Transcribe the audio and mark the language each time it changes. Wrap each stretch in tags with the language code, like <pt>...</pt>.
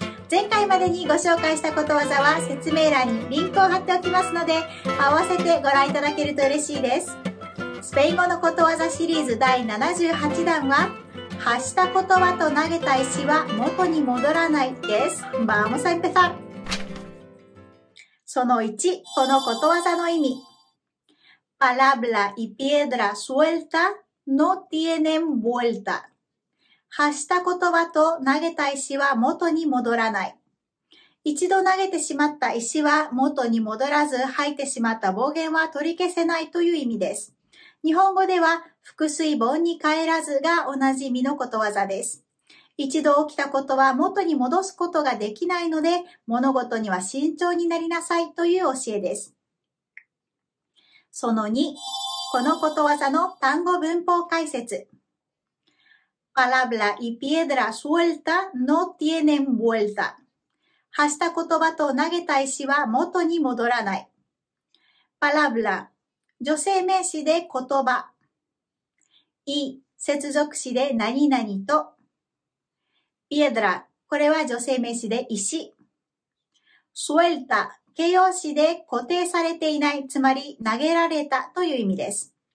<ja>前回までにご紹介したことわざは説明欄にリンクを貼っておきますので、合わせてご覧いただけると嬉しいです。スペイン語のことわざシリーズ第78弾は、発した言葉と投げた石は元に戻らないです。</ja> <es>Vamos a empezar。</es> <ja>その1、このことわざの意味。</ja> <es>Palabra y piedra suelta no tienen vuelta。</es> <ja>発した言葉と投げた石は元に戻らない。一度投げてしまった石は元に戻らず、吐いてしまった暴言は取り消せないという意味です。日本語では、覆水盆に帰らずがおなじみのことわざです。一度起きたことは元に戻すことができないので、物事には慎重になりなさいという教えです。その2、このことわざの単語文法解説。</ja> <es>Palabra y piedra suelta no tienen vuelta.</es> <ja>発した言葉と投げた石は元に戻らない。 Palabra, 女性名詞で言葉。Y, 接続詞で何々と。 Piedra, これは女性名詞で石。Suelta, 形容詞で固定されていない、つまり投げられたという意味です。</ja>